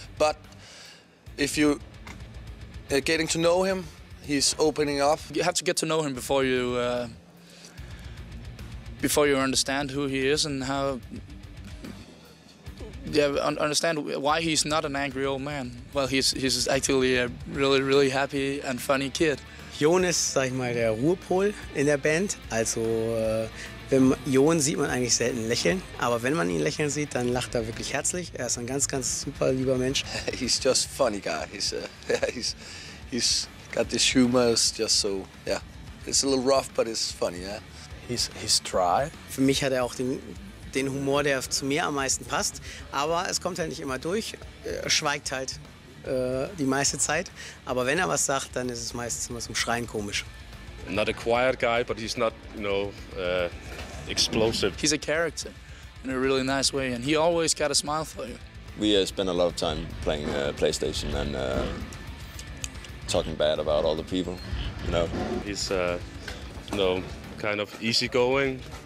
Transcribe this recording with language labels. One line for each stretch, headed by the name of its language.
English: But if you getting to know him, he's opening up. You have to get to know him before you understand who he is and how. Yeah, understand why he's not an angry old man. Well, he's actually a really, really happy and funny kid.
German: Jonas, sag ich mal, der Ruhepol in der Band. Also, Jon sieht man eigentlich selten lächeln. Aber wenn man ihn lächeln sieht, dann lacht er wirklich herzlich. Er ist ein ganz, ganz super lieber Mensch.
English: He's just a funny guy. He's got this humor. It's just so, yeah. It's a little rough, but it's funny, yeah. He's dry.
German: Für mich hat er auch den Humor, der zu mir am meisten passt. Aber es kommt halt nicht immer durch. Er schweigt halt die meiste Zeit. Aber wenn er was sagt, dann ist es meistens immer zum Schreien komisch.
English: Not a quiet guy, but he's not, you know, explosive. He's a character in a really nice way, and he always got a smile for you. We spend a lot of time playing PlayStation and talking bad about all the people, you know. He's, you know, kind of easygoing.